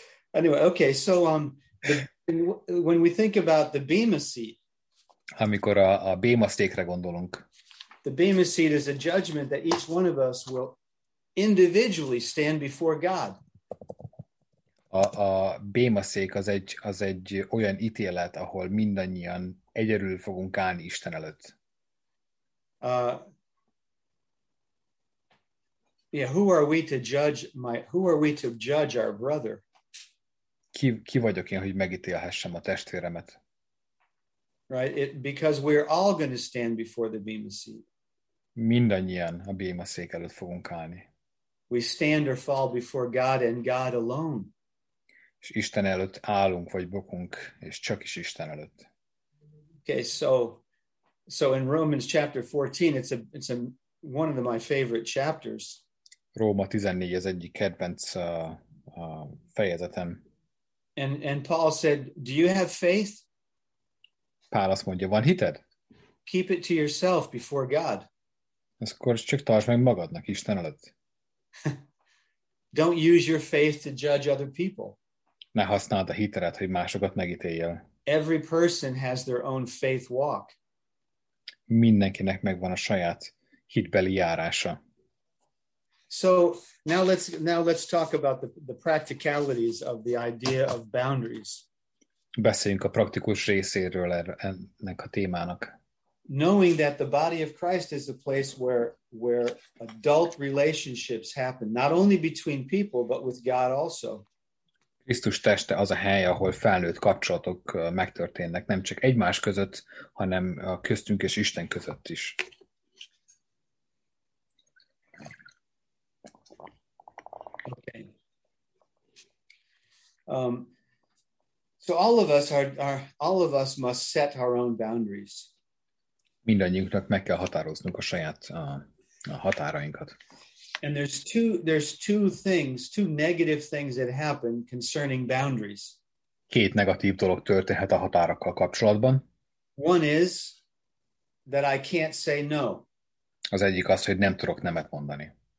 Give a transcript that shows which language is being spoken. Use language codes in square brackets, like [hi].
[en] Anyway, okay, so when we think about the Bema seat. [hu] Amikor a Bema székre gondolunk. [en] The Bema seat is a judgment that each one of us will individually stand before God. [hu] A Bema szék az egy olyan ítélet, ahol mindannyian egyedül fogunk állni Isten előtt. [en] Who are we to judge our brother? [hu] Ki vagyok én, hogy megítélhessem a testvéremet? [en] Right, because we're all going to stand before the Bema seat. [hu] Mindannyian a Béma szék előtt fogunk állni. [en] We stand or fall before God and God alone. [hu] És Isten előtt állunk vagy bukunk, és csak is Isten előtt. [en] Okay, so in Romans chapter 14, it's one of my favorite chapters. [hu] Róma 14 az egyik kedvenc fejezetem. [en] And Paul said, do you have faith? [hu] Pál azt mondja, van hited? [en] Keep it to yourself before God. [hu] Ezt akkor csak tartsd meg magadnak, Isten előtt. [en] Don't use your faith to judge other people. [hu] Ne használd a hitedet, hogy másokat megítéljél. [en] Every person has their own faith walk. [hu] Mindenkinek megvan a saját hitbeli járása. [en] So now let's talk about the practicalities of the idea of boundaries. [hu] Beszéljünk a praktikus részéről ennek a témának. [en] Knowing that the body of Christ is a place where adult relationships happen, not only between people, but with God also. [hu] Krisztus teste az a hely, ahol felnőtt kapcsolatok megtörténnek, nem csak egymás között, hanem a köztünk és Isten között is. [en] Okay. So all of us must set our own boundaries. [hu] Mindannyiunknak meg kell határoznunk a saját a határainkat. [en] And there's two negative things that happen concerning boundaries. [hu] Két negatív dolog történhet a határokkal kapcsolatban. [en] One is that I can't say no. [hu] Az egyik az, hogy nem tudok nemet mondani.